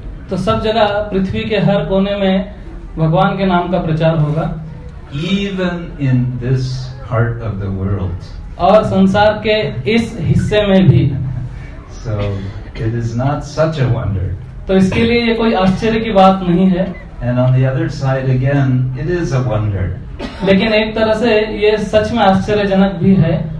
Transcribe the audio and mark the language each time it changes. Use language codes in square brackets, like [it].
[hi] तो सब जगह पृथ्वी के हर कोने में भगवान के नाम का प्रचार होगा। [en] Even in this part of the world. [hi] और संसार के इस हिस्से में भी। [en] So it is not such a wonder. [hi] तो इसके लिए ये कोई आश्चर्य की बात नहीं है। [en] And on the other side again, it is a wonder. [hi] लेकिन एक तरह से ये सच में आश्चर्यजनक भी है।